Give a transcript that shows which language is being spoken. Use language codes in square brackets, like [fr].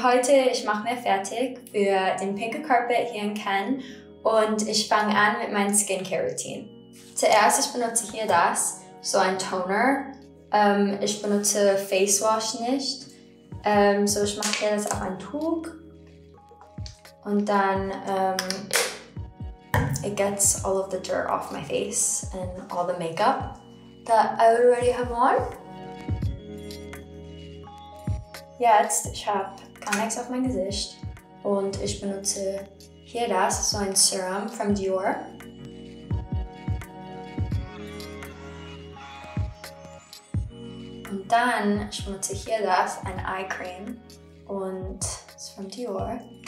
[de] Heute, ich mache mir fertig für den Pinker Carpet hier in Cannes und ich fange an mit meinem Skincare Routine. Zuerst, ich benutze hier das, so ein Toner. Ich benutze Face Wash nicht. So, ich mache hier das auf ein Tuch. Und dann, [en] it gets all of the dirt off my face and all the makeup that I already have on. [de] Jetzt, ich habe gar nichts auf mein Gesicht und ich benutze hier das, so ein Serum von Dior. Und dann, ich benutze hier das, ein Eye Cream und das ist von Dior.